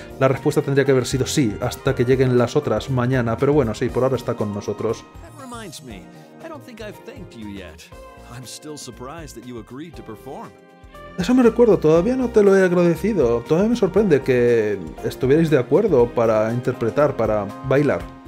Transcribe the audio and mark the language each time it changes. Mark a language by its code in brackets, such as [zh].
[es] La respuesta tendría que haber sido sí, hasta que lleguen las otras mañana. Pero bueno, sí, por ahora está con nosotros. [en] That reminds me. I don't think I've thanked you yet. I'm still surprised that you agreed to perform. [es] Eso me recuerdo, todavía no te lo he agradecido. Todavía me sorprende que estuvierais de acuerdo para interpretar, para bailar.